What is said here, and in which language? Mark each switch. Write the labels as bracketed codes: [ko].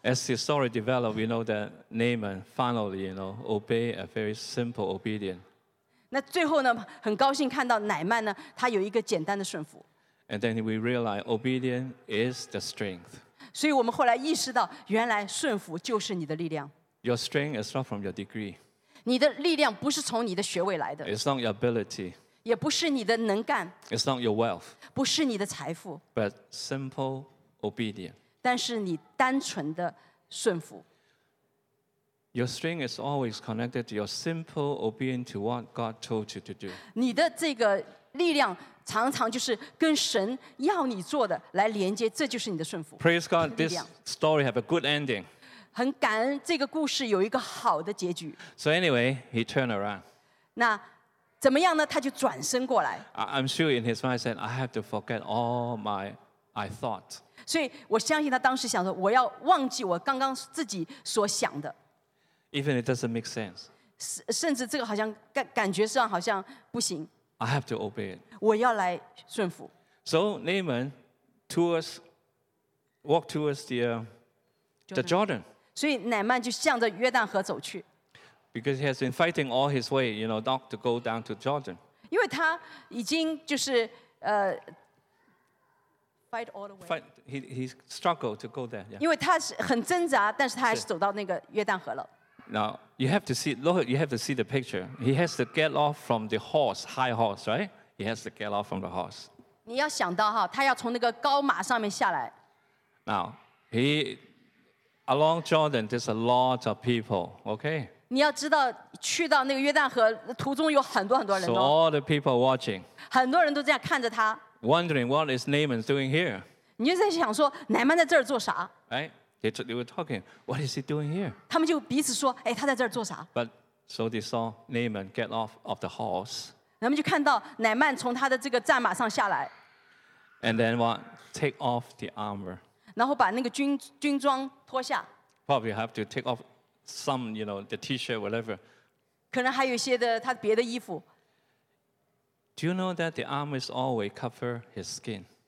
[en] As the story develops, we know that Naaman finally, you know, obey a very simple obedience. [zh] 那最后呢，很高兴看到乃曼呢，他有一个简单的顺服。 [en] And then we realize obedience is the strength. [zh] 所以我们后来意识到，原来顺服就是你的力量。 [en] Your strength is not from your degree. [zh] 你的力量不是从你的学位来的。 [en] It's not your ability. [zh] 也不是你的能干。 [en] It's not your wealth. [zh] 不是你的财富。 [en] But simple obedience. [zh] 但是你单纯的顺服。 [en] Your strength is always connected to your simple obedience to what God told you to do. [zh] 你的这个力量常常就是跟神要你做的来连接，这就是你的顺服。 [en] Praise God, this story has a good ending. [zh] 很感恩这个故事有一个好的结局。 [en] So anyway, he turned around. [zh] 那怎么样呢？他就转身过来。 [en] I'm sure in his mind said, I have to forget all my I thought. [zh] 所以我相信他当时想说，我要忘记我刚刚自己所想的。 [en] Even it doesn't make sense. [zh] 甚至这个好像感觉上好像不行。 [en] I have to obey it. [zh] 我要来顺服。 [en] So Naaman walked towards the Jordan. [zh] 所以乃曼就向着约旦河走去。 [en] Because he has been fighting all his way, you know, not to go down to Jordan. [zh] 因为他已经就是 [en] fight all the way. He struggled to go there. Yeah. [zh] 因为他是很挣扎，但是他还是走到那个约旦河了。 [en] Now, You have to see, look, you have to see the picture. He has to get off from the horse, high horse, right? He has to get off from the horse. [zh] 你要想到, 他要从那个高马上面下来。 [en] Now, he, along Jordan, there's a lot of people, okay? [zh] 你要知道,去到那个约旦河途中有很多很多人哦。 [en] So all the people watching. [zh] 很多人都这样看着他。 [en] Wondering what is Naaman doing here? [zh] 你就在想说, 乃曼在这儿做啥? [en] Right? They were talking, what is he doing here? [zh] 他们就彼此说, 哎, 他在这儿做啥? [en] But so they saw Naaman get off of the horse. [zh] 他们就看到乃曼从他的这个战马上下来。 [en] And then what? Take off the armor. [zh] 然后把那个军装脱下。 [en] Probably have to take off some, you know, the t-shirt, whatever. [zh] 可能还有一些的他别的衣服。 [en] Do you know that the armor is always cover his skin?